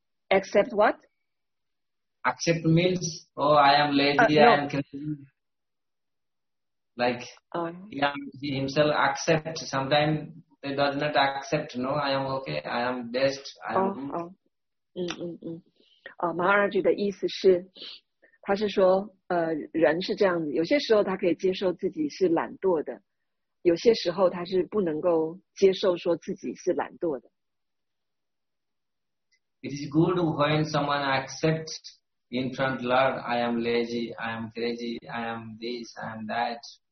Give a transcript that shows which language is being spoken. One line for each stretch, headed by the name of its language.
English: Accept what? Accept means, oh, I am lazy, no. I am confused. Like, he himself accepts. Sometimes they do not accept, no, I am okay, I am best, I am good.
Chinese: Maharaj 的意思是，他是说，人是这样子，有些时候他可以接受自己是懒惰的，有些时候他是不能够接受说自己是懒惰的。
English: It is good when someone accepts in front of Lord, I am lazy, I am crazy, I am this, I am that.